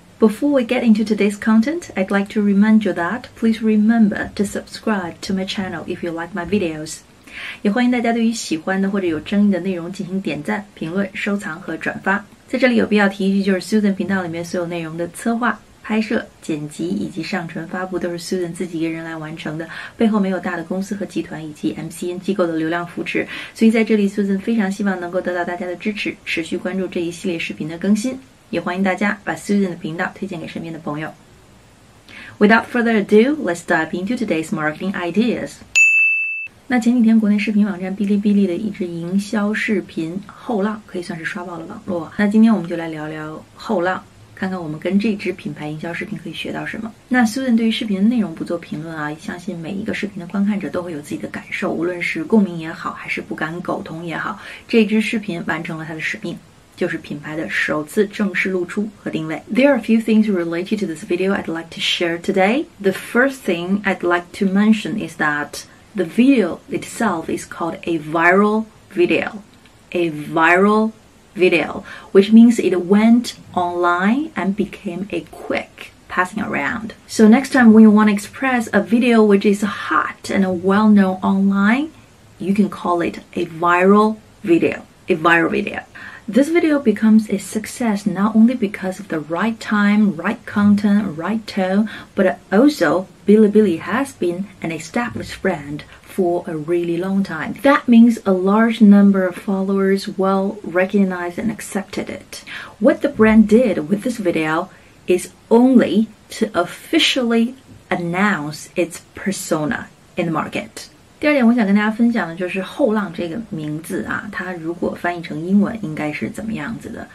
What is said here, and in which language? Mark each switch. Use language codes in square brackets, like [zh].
[en] Before we get into today's content, I'd like to remind you that please remember to subscribe to my channel if you like my videos. [zh] 也欢迎大家对于喜欢的或者有争议的内容进行点赞、评论、收藏和转发。在这里有必要提一句，就是 Susan 频道里面所有内容的策划、拍摄、剪辑以及上传发布都是 Susan 自己一个人来完成的，背后没有大的公司和集团以及 MCN 机构的流量扶持，所以在这里 Susan 非常希望能够得到大家的支持，持续关注这一系列视频的更新，也欢迎大家把 Susan 的频道推荐给身边的朋友。 [en] Without further ado, let's dive into today's marketing ideas. [zh] 那前几天国内视频网站哔哩哔哩的一支营销视频后浪可以算是刷爆了网络，那今天我们就来聊聊后浪，看看我们跟这支品牌营销视频可以学到什么。那 Susan 对于视频的内容不做评论啊，相信每一个视频的观看者都会有自己的感受，无论是共鸣也好，还是不敢苟同也好，这支视频完成了它的使命，就是品牌的首次正式露出和定位。 [en] There are a few things related to this video I'd like to share today. The first thing I'd like to mention is that the video itself is called a viral video. A viral video, which means it went online and became a quick passing around. So next time when you want to express a video which is hot and well-known online, you can call it a viral video. A viral video. This video becomes a success not only because of the right time, right content, right tone, but also Bilibili has been an established brand for a really long time. That means a large number of followers well recognized and accepted it. What the brand did with this video is only to officially announce its persona in the market. [zh] 第二点我想跟大家分享的就是后浪这个名字啊，它如果翻译成英文应该是怎么样子的。